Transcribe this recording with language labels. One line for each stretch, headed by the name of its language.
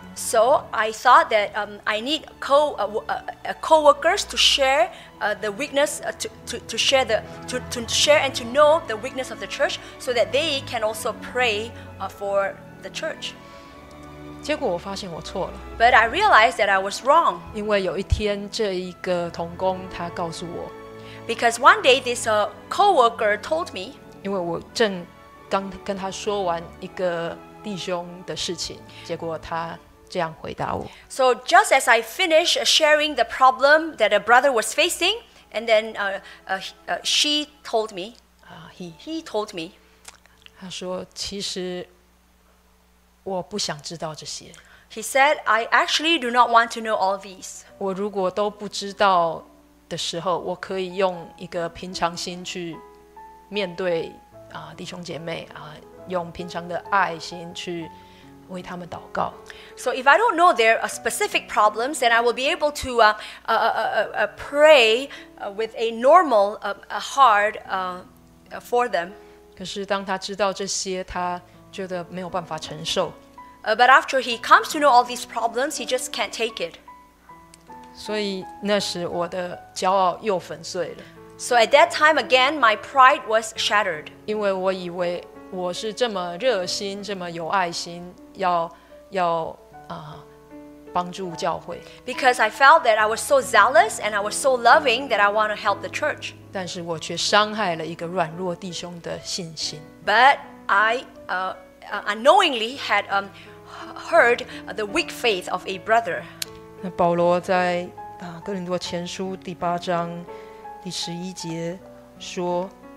English: So I thought that I need co-workers to share the weakness to share and to know the weakness of the church so that they can also pray for the church.
Chinese: 结果我发现我错了。
English: But I realized that I was wrong.
Chinese: 因为有一天这一个同工他告诉我。
English: Because one day this co-worker told me.
Chinese: 因为我正刚跟他说完一个弟兄的事情，结果他这样回答我。
English: So just as I finished sharing the problem that a brother was facing, and then she told me. He told me.
Chinese: 他说其实我不想知道这些。
English: He said, I actually do not want to know all these.
Chinese: 我如果都不知道的时候，我可以用一个平常心去面对、弟兄姐妹、用平常的爱心去为他们祷告。
English: So if I don't know their specific problems, then I will be able to pray with a normal heart for them.
Chinese: 可是当他知道这些，他觉得没有办法承受。
English: But after he comes to know all these problems, he just can't take it.
Chinese: 所以那时我的骄傲又粉碎了。
English: So at that time again, my pride was shattered.
Chinese: 因为我以为我是这么热心，这么有爱心，要帮助教会。
English: Because I felt that I was so zealous and I was so loving that I want to help the church.
Chinese: 但是我却伤害了一个软弱弟兄的信心。
English: But I unknowingly had heard the weak faith of a brother.
Chinese: 保罗在哥林多前书第八章第十一节说